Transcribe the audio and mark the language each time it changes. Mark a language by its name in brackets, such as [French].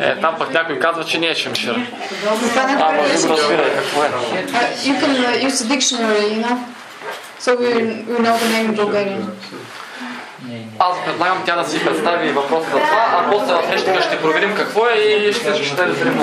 [Bulgarian] Е, там пък някой казва, че не е чемшир. Това някой е чемшир. [English] You can use a dictionary, you know? So we know the name in Bulgarian. [Bulgarian] Аз предлагам тя да си представи въпроса за това, а после в нещата ще проверим какво е и ще разберем